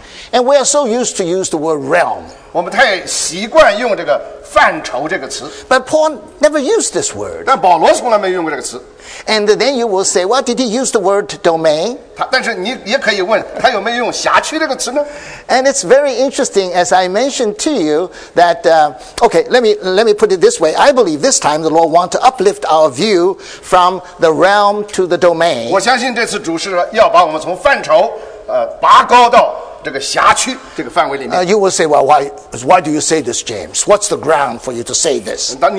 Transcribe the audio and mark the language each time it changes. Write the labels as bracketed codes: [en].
[en] And we are so used to use the word realm. [zh] 我们太习惯用这个范畴这个词。 [en] But Paul never used this word. [zh] 但保罗从来没用过这个词。 [en] And then you will say, well, did he use the word domain? [zh] 但是你也可以问他有没有用辖区这个词呢？ [en] And it's very interesting, as I mentioned to you, that, okay, let me put it this way. I believe this time the Lord wants to uplift our view from the realm to the domain. [zh] 我相信这次主是要把我们从范畴拔高到这个辖区这个范围里面。 [en] You will say, well, why do you say this, James? What's the ground for you to say this?